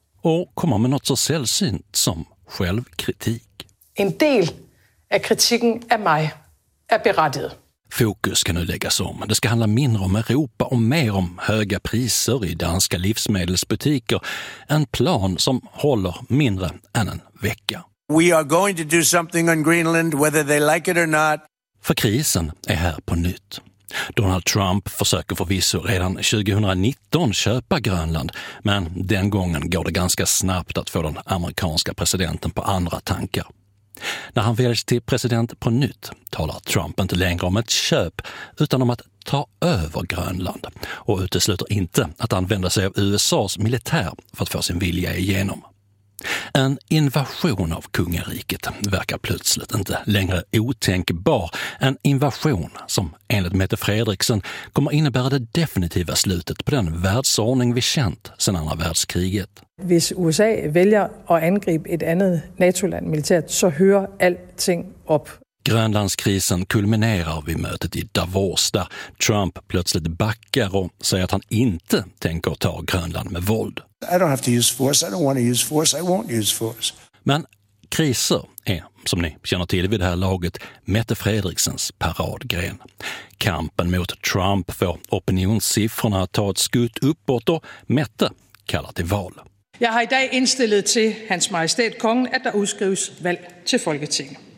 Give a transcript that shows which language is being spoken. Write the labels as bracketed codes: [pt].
[sv] Och kommer med något så sällsynt som självkritik. En del av kritiken av mig är berättigad. Fokus ska nu läggas om. Det ska handla mindre om Europa och mer om höga priser i danska livsmedelsbutiker. En plan som håller mindre än en vecka. [en] We are going to do something on Greenland, whether they like it or not. [sv] För krisen är här på nytt. Donald Trump försöker förvisso redan 2019 köpa Grönland, men den gången går det ganska snabbt att få den amerikanska presidenten på andra tankar. När han väljs till president på nytt talar Trump inte längre om ett köp utan om att ta över Grönland och utesluter inte att använda sig av USAs militär för att få sin vilja igenom. En invasion av kungariket verkar plötsligt inte längre otänkbar. En invasion som enligt Mette Frederiksen kommer innebära det definitiva slutet på den världsordning vi känt sedan andra världskriget. Hvis USA väljer att angripa ett annat NATO-land militärt så hör allting upp. Grönlandskrisen kulminerar vid mötet i Davos där Trump plötsligt backar och säger att han inte tänker ta Grönland med våld. [en] I don't have to use force. I don't want to use force. I won't use force. [sv] Men kriser är, som ni känner till vid det här laget, Mette Frederiksens paradgren. Kampen mot Trump får opinionssiffrorna att ta ett skutt uppåt och Mette kallar till val. Jag har idag inställt till hans majestät kongen att det utskrivs val till Folketinget.